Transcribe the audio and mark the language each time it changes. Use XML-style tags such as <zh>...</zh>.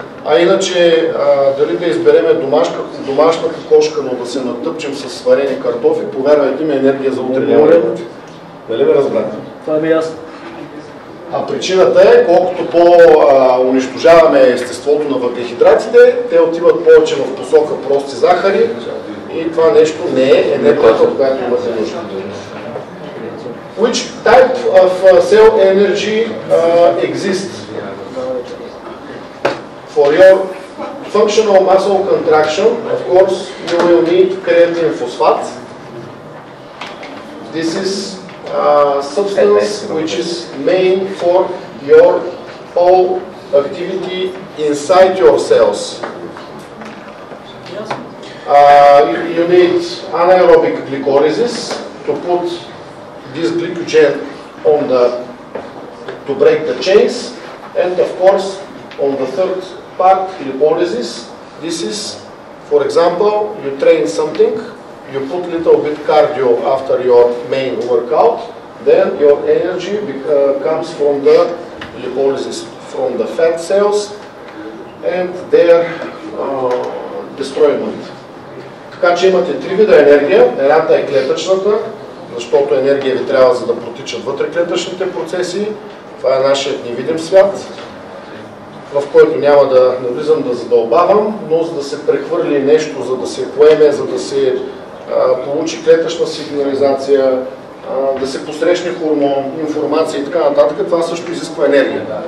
<bg>А иначе, дали да изберем домашната кошка, но да се натъпчем с сварени картофи, повярвайте ми, енергия за утре няма да имате. Дали ме разбрахте? Това ми е ясно. А причината е, колкото по-унищожаваме естеството на въглехидратите, те отиват повече в посока прости захари и това нещо не е енергията, от която имате нужда.</bg> <en>Which type of cell energy exists for your functional muscle contraction? Of course, you will need creatine phosphate. This is a substance which is main for your all activity inside your cells. You need anaerobic glycolysis to put this glycogen on the to break the chains, and of course on the third part, lipolysis. This is, for example, you train something, you put a little bit cardio after your main workout, then your energy comes from the lipolysis, from the fat cells and their destroyment.</en> <bg>Така че имате три вида енергия. Едната е клетъчната, защото енергия ви трябва за да протичат вътреклетъчните процеси. Това е нашият невидим свят, в който няма да навлизам да задълбавам, но за да се прехвърли нещо, за да се поеме, за да се получи клетъчна сигнализация, да се посрещне хормон, информация и така нататък, това също изисква енергия.</bg>